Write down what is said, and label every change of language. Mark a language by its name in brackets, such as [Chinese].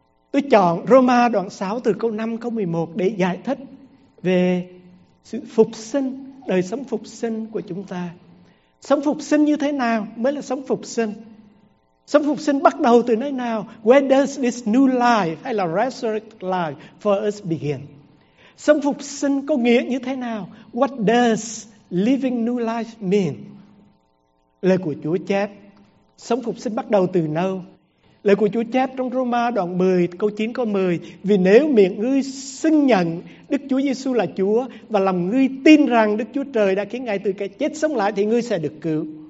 [Vietnamese] Tôi chọn Roma đoạn 6 từ câu 5 câu 11 để giải thích về sự phục sinh, đời sống phục sinh của chúng ta. Sống phục sinh như thế nào mới là sống phục sinh? Sống phục sinh bắt đầu từ nơi nào? [English] Where does this new life [Vietnamese] hay là [English] resurrected life for us begin? [Vietnamese] Sống phục sinh có nghĩa như thế nào? [English] What does living new life mean? [Vietnamese] Lời của Chúa chép, sống phục sinh bắt đầu từ đâu? Lời của Chúa chép trong Roma đoạn 10 câu 9 câu 10: vì nếu miệng ngươi xưng nhận Đức Chúa Giêsu là Chúa và lòng ngươi tin rằng Đức Chúa Trời đã khiến Ngài từ cái chết sống lại thì ngươi sẽ được cứu.